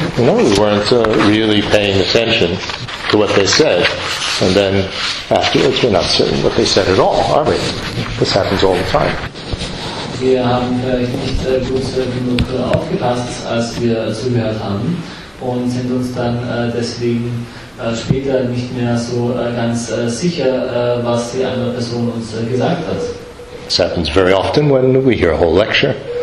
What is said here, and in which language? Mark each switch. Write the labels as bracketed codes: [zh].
[en] No, we weren't really paying attention to what they said, and then afterwards we're not certain what they said at all, are we? This happens all the time. [de] Wir haben vielleicht nicht gut genug aufgepasst, als wir zugehört haben, und sind uns dann deswegen später nicht mehr so ganz sicher, was die andere Person uns gesagt hat. [en] This happens very often when we hear a whole lecture.